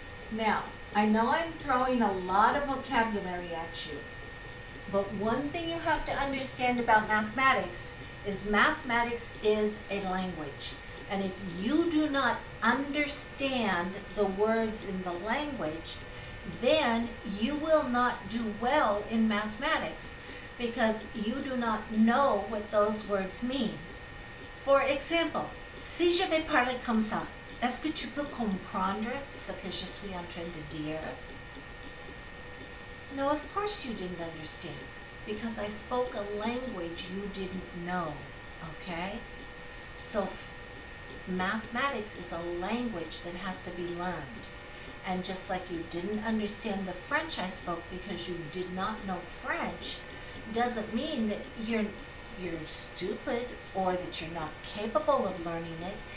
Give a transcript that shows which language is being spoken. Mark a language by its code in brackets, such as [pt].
[en] Now, I know I'm throwing a lot of vocabulary at you, but one thing you have to understand about mathematics is mathematics is a language. And if you do not understand the words in the language, then you will not do well in mathematics, because you do not know what those words mean. For example, [fr] si je vais parler comme ça, est-ce que tu peux comprendre ce que je suis en train de dire? [en] No, of course you didn't understand, because I spoke a language you didn't know, okay? So mathematics is a language that has to be learned. And just like you didn't understand the French I spoke because you did not know French, doesn't mean that you're stupid or that you're not capable of learning it.